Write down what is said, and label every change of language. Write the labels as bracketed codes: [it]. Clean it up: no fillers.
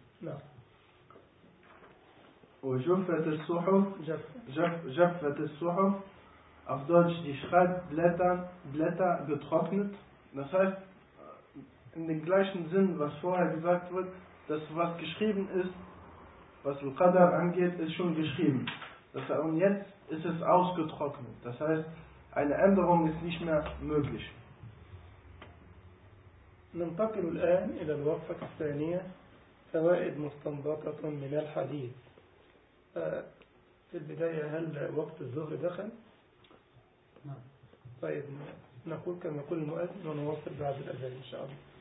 [ar] نعم. وجفت الصحف جفت الصحف [de] auf Deutsch die Schreibblätter getrocknet, das heißt in dem gleichen Sinn was vorher gesagt wird, dass was geschrieben ist, was Al-Qadar angeht, ist schon geschrieben, das heißt, und jetzt ist es ausgetrocknet, das heißt eine Änderung ist nicht mehr möglich. [ar] ننتقل الآن إلى الوقفة الثانية فوائد مستنبطة من الحديث. في البداية هل وقت الظهر دخل؟ نعم. طيب نقول كما يقول المؤذن ونوصل بعد الأذان إن شاء الله.